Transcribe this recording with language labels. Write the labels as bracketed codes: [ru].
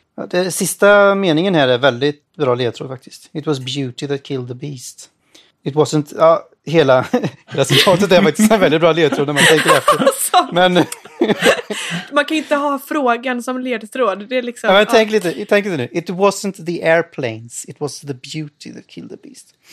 [sv] Den sista meningen här är väldigt bra ledtråd faktiskt. [en] It was beauty that killed the beast. It wasn't... [sv] Ja, hela resultatet är faktiskt en väldigt bra ledtråd när man tänker efter. Men, man kan inte ha frågan som ledtråd. Det är liksom, ja, men tänk lite nu. [en] It wasn't the airplanes. It was the beauty that killed the beast.